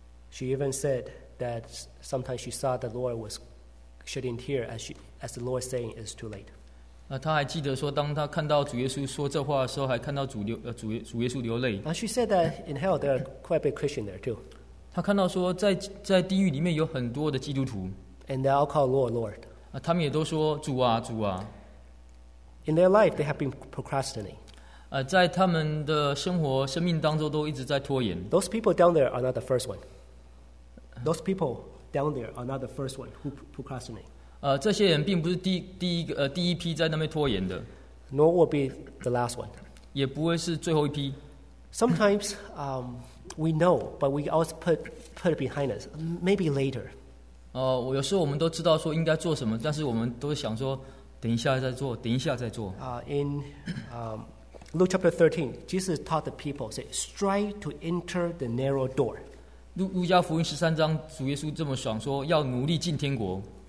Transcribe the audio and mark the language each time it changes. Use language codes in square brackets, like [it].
[en] She even said that sometimes she saw the Lord was shedding tears as the Lord saying it is too late. [zh] 他还记得说，当他看到主耶稣说这话的时候，还看到主耶稣流泪。 [en] And she said that in hell there are quite a bit Christian there too. [zh] 他看到说在地狱里面有很多的基督徒。 [en] And they all call Lord, Lord. [zh] 他们也都说主啊，主啊。 [en] In their life, they have been procrastinating. [zh] 在他们的生活生命当中都一直在拖延。 [en] Those people down there are not the first one. Those people down there are not the first one who procrastinate. [zh] 这些人并不是第一批在那边拖延的, [en] nor will be the last one. [zh] 也不会是最后一批。 [en] Sometimes we know, but we always put it behind us, maybe later. [zh] 有时候我们都知道说应该做什么, 但是我们都想说, 等一下再做, 等一下再做。 [en] In Luke chapter 13, Jesus taught the people, say, strive to enter the narrow door. [zh] 路加福音13章, 主耶稣这么爽说, 要努力进天国。